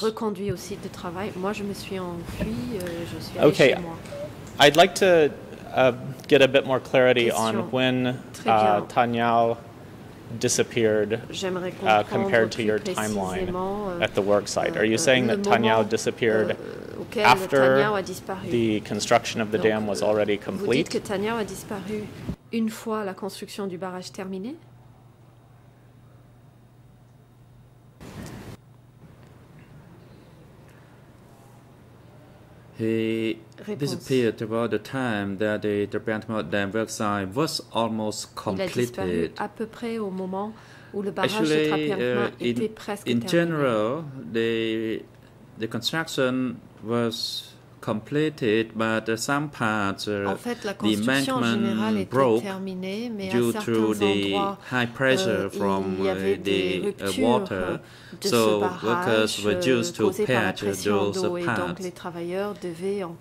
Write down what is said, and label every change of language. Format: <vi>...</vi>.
<en>Okay, I'd like to get a bit more clarity on when Tanyal disappeared compared to your timeline at the work site. Are you saying that Tanyal disappeared after the construction of the dam was already complete?</en> <fr>Vous dites que Tanyal a disparu une fois la construction du barrage terminée?</fr> <en>He disappeared about the time that the Brentwood Dam work site was almost completed.</en> <fr>À peu près au moment où le barrage de Trappierma était presque terminé.</fr> <en>In general, the construction was completed, but some parts, the embankment broke due to the high pressure from the water. So workers were used to patch those parts.</en>